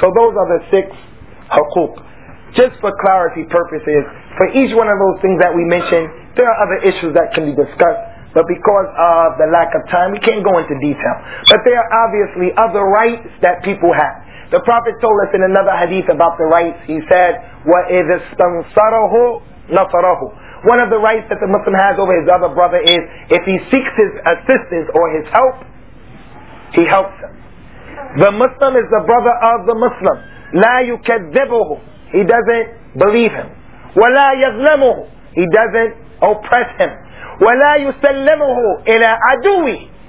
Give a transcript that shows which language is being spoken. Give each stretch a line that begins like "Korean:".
English: So those are the 6 haquq. Just for clarity purposes, for each one of those things that we mentioned, there are other issues that can be discussed, but because of the lack of time, we can't go into detail. But there are obviously other rights that people have. The Prophet told us in another hadith about the rights. He said,
Arabic: وَإِذِ اسْتَنْصَرَهُ نَصَرَهُ.
English: One of the rights that the Muslim has over his other brother is, if he seeks his assistance or his help, he helps him. The Muslim is the brother of the Muslim.
Arabic: لَا يُكَذِّبُهُ.
English: He doesn't believe him.
Arabic: وَلَا يَظْلَمُهُ.
English: He doesn't oppress him.
Arabic: وَلَا يُسَلَّمُهُ إِلَىٰ عَدُوِهِ.